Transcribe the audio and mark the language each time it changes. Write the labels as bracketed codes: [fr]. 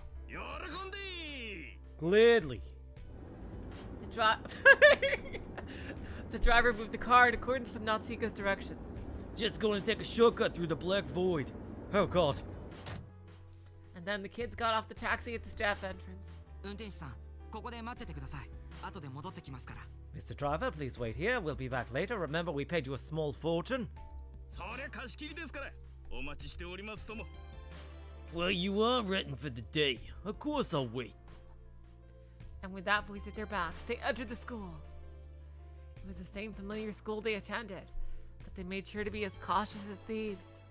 [en] Yorikundi! Gladly. The driver moved the car in accordance with Natsuhiko's directions. Just going to take a shortcut through the black void. Oh god. And then the kids got off the taxi at the staff entrance. [ja] 運転手さん, ここで待っててください.後で戻ってきますから. [en] Mr. Driver, please wait here. We'll be back later. Remember, we paid you a small fortune. [ja] それは貸し切りですから.お待ちしておりますとも. [en] Well, you are written for the day. Of course I'll wait. And with that voice at their backs, they entered the school. It was the same familiar school they attended, but they made sure to be as cautious as thieves.